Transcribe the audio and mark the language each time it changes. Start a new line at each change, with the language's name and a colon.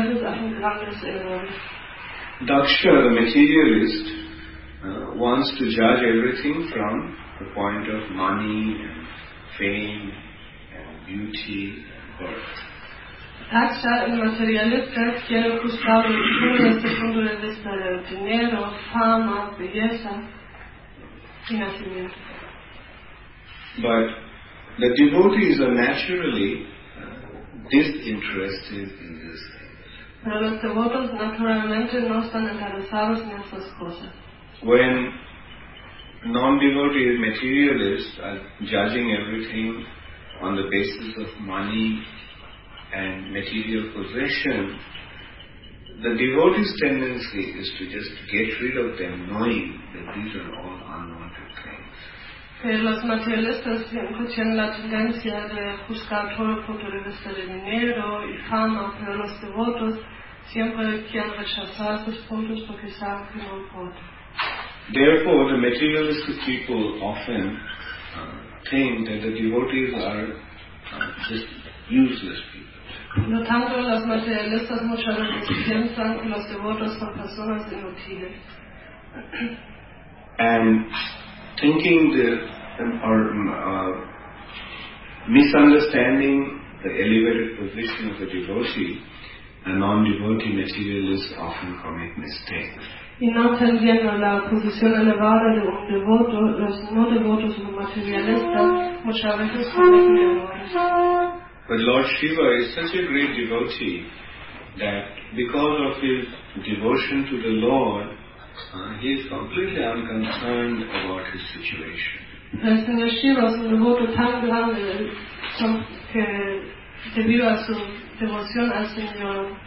English: Daksha, the materialist, wants to judge everything from the point of money and fame and beauty and birth.
Spanish: Daksha, el materialista, quiere juzgar el mundo desde el punto de vista del dinero, fama, belleza y nacimiento.
English: But the devotees are naturally disinterested in this.
Spanish: Pero los devotos naturalmente no están interesados en esas cosas.
English: When non-devotees, materialists, are judging everything on the basis of money and material possession, the devotee's tendency is to just get rid of them, knowing that these are all unwanted things.
Spanish: Pero los materialistas siempre tienen la tendencia de juzgar todo el punto de vista de dinero y fama, pero los devotos siempre quieren rechazar estos puntos porque saben que no importa.
English: Therefore, the materialistic people often think that the devotees are just useless people.
Spanish: No tanto los materialistas muchas veces piensan que los devotos son personas inútiles.
English: And thinking the or misunderstanding the elevated position of the devotee, a non-devotee materialist often commit mistakes.
Spanish: Y no entendiendo la posición elevada de un devoto, los no devotos o materialistas muchas veces cometen errores.
English: But Lord Shiva is such a great devotee that because of his devotion to the Lord, he is completely unconcerned about his situation.
Spanish: Señor Shiva es un devoto tan grande que debido a su devoción al Señor,